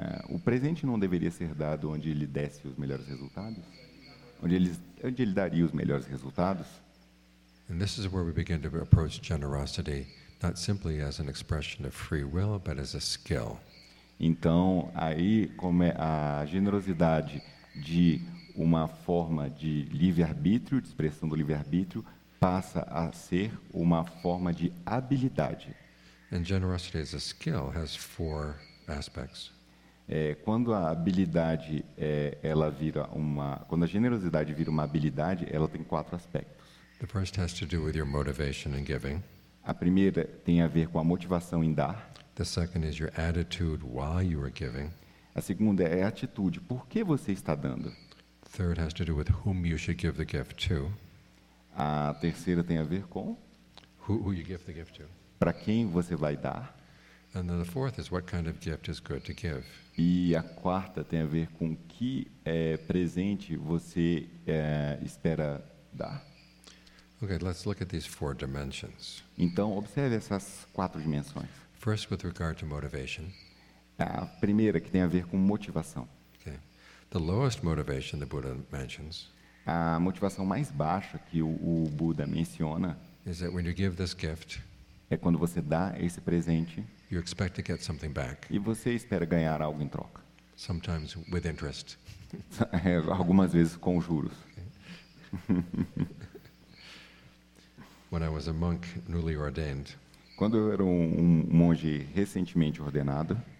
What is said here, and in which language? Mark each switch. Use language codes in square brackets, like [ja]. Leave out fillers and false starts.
[pt] O presente não deveria ser dado onde ele desse os melhores resultados? Onde ele daria os melhores resultados? [en] And this is where we begin to approach generosity not simply as an expression of free will, but as a skill. [pt] Então, aí como a generosidade de uma forma de livre-arbítrio, de expressão do livre-arbítrio, passa a ser uma forma de habilidade. [en] And generosity as a skill has four aspects. [pt] Quando a habilidade ela vira uma, quando a generosidade vira uma habilidade, ela tem quatro aspectos. [en] The first has to do with your motivation in giving. [pt] A primeira tem a ver com a motivação em dar. [en] The second is your attitude while you are giving. [pt] A segunda é a atitude, por que você está dando? [en] The third has to do with whom you should give the gift to. [pt] A terceira tem a ver com [en] who you give the gift to. [pt] Para quem você vai dar? [en] And then the fourth is what kind of gift is good to give. [pt] E a quarta tem a ver com que presente você espera dar. [en] Okay, let's look at these four dimensions. [pt] Então, observe essas quatro dimensões. [en] First, with regard to motivation. [pt] A primeira, que tem a ver com motivação. [en] Okay. The lowest motivation the Buddha mentions. [pt] A motivação mais baixa que o Buda menciona. [en] Is that when you give this gift. [pt] É quando você dá esse presente. [en] You expect to get something back. [pt] E você espera ganhar algo em troca. [en] Sometimes with interest. [pt] Algumas vezes com juros. [en] When I was a monk, newly ordained. [pt] Quando eu era um monge recentemente ordenado.